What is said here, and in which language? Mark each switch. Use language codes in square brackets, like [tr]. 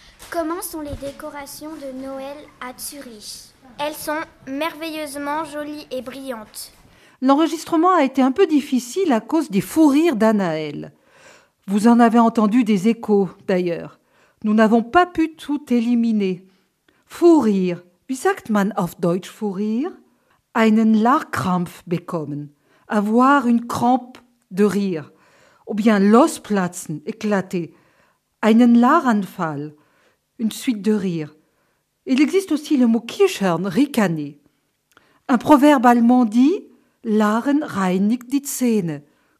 [fr] Comment sont les décorations de Noël à Zurich? Elles sont merveilleusement jolies et brillantes. L'enregistrement a été un peu difficile à cause des fous rires d'Anaëlle. Vous en avez entendu des échos, d'ailleurs. Nous n'avons pas pu tout éliminer. Fous rires. [de] Wie sagt man auf Deutsch [fr] fous rires? [de] Einen Lachkrampf bekommen. [fr] Avoir une crampe de rire, ou bien losplatzen, éclater, [de] einen Lachanfall, [fr] une suite de rire. Il existe aussi le mot kichern, ricaner. Un proverbe allemand dit « [de] Lachen reinigt die Zähne ».